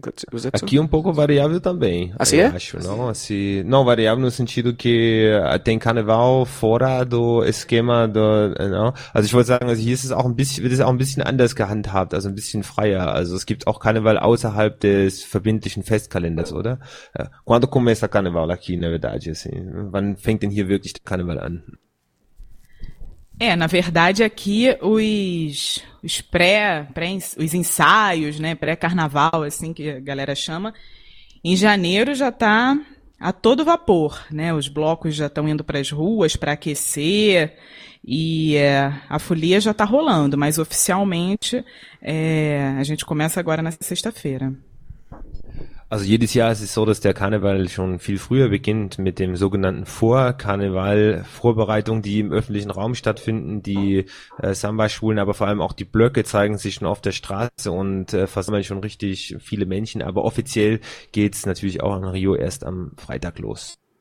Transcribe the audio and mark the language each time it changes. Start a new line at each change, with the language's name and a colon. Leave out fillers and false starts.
Portuguese: Pois aqui um pouco variável também, eu assim é? acho, não? Assim, não variável no sentido que tem carnaval fora do esquema do, não?
German: Also ich wollte sagen, also hier ist es auch ein bisschen, wird es auch ein bisschen anders gehandhabt, also ein bisschen freier. Also es gibt auch Karneval außerhalb des verbindlichen Festkalenders, oder?
Portuguese: Quando começa Carnaval aqui, na verdade, assim?
German: Wann fängt denn hier wirklich der Karneval an?
Portuguese: É, na verdade, aqui os ensaios, né, pré-carnaval, assim que a galera chama, em janeiro já tá a todo vapor, né? Os blocos já estão indo para as ruas para aquecer e a folia já tá rolando, mas oficialmente a gente começa agora na sexta-feira.
German: Also jedes Jahr ist es so, dass der Karneval schon viel früher beginnt mit dem sogenannten Vorkarneval-Vorbereitung, die im öffentlichen Raum stattfinden. Die Samba-Schulen, aber vor allem auch die Blöcke zeigen sich schon auf der Straße und versammeln schon richtig viele Menschen. Aber offiziell geht es natürlich auch in Rio erst am Freitag los.